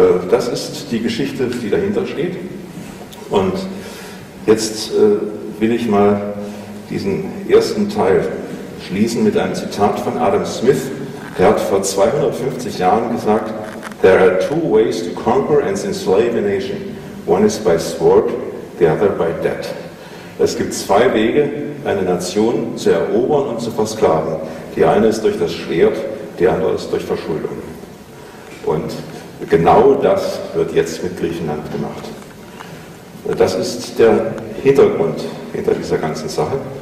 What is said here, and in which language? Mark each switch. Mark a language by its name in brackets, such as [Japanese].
[German] Das ist die Geschichte, die dahinter steht. Und jetzt will ich mal diesen ersten Teil schließen mit einem Zitat von Adam Smith. Er hat vor 250 Jahren gesagt, [English] "There are 2 ways to conquer and enslave a nation. One is by sword, the other by debt." [German] Es gibt 2 Wege, eine Nation zu erobern und zu versklaven. Die eine ist durch das Schwert, die andere ist durch Verschuldung. Und genau das wird jetzt mit Griechenland gemacht. Das ist der Hintergrund hinter dieser ganzen Sache.